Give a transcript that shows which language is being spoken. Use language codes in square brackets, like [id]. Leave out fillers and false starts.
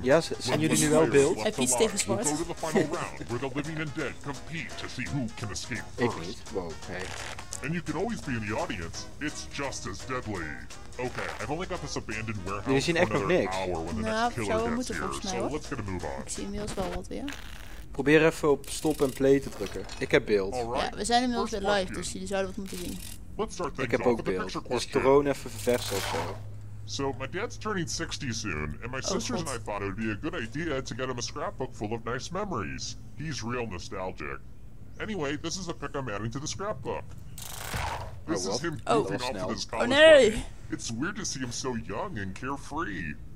[en] Yes, and you didn't well build. If he stays smart, we'll go to the final round where the living and dead compete to see who can escape first. Well, okay. And you can always be in the audience. It's just as deadly. Okay, I've only got this abandoned warehouse for another hour when the next killer gets here. So let's get a move on. [nl] Ik zie inmiddels wel wat weer. Probeer even op stop en play te drukken. Ik heb beeld. Ja, we zijn inmiddels weer live, dus jullie zouden wat moeten zien. Ik heb ook beeld. Dus drone even verversen ofzo. [en] So, my dad's turning 60 soon, and my sisters and I thought it would be a good idea to get him a scrapbook full of nice memories. He's real nostalgic. Anyway, this is a pick I'm adding to the scrapbook. This is him goofing off with his college buddy. It's weird to see him so young and carefree.